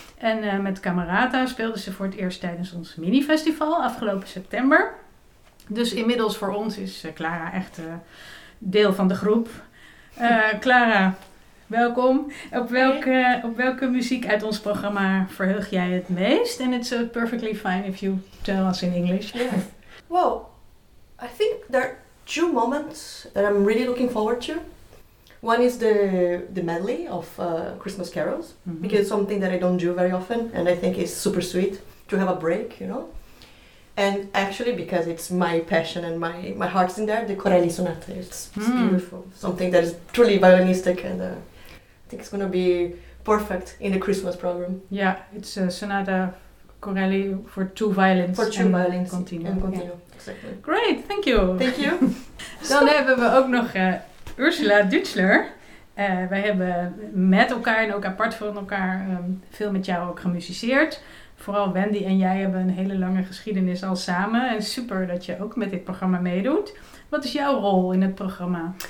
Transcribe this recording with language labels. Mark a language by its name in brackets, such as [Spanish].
[Dutch] En met Camerata speelde ze voor het eerst tijdens ons minifestival afgelopen september. Dus inmiddels voor ons is Clara echt deel van de groep. Clara, welkom. Op welke muziek uit ons programma verheug jij het meest? [English] And it's perfectly fine if you tell us in English. Yeah. Well, I think there are two moments that I'm really looking forward to. One is the medley of Christmas carols, mm-hmm. because it's something that I don't do very often, and I think it's super sweet to have a break, you know? And actually, because it's my passion and my heart's in there, the Corelli Sonata, it's beautiful. Something that is truly violinistic, and I think it's going to be perfect in the Christmas program. Yeah, it's a sonata Corelli for two violins. For two violins. Continuo. Yeah. Exactly. Great, thank you. Thank you. [Dutch] Dan hebben we ook nog Ursula Dutschler. Wij hebben met elkaar en ook apart van elkaar veel met jou ook gemusiceerd. Vooral Wendy en jij hebben een hele lange geschiedenis al samen. En super dat je ook met dit programma meedoet. Wat is jouw rol in het programma?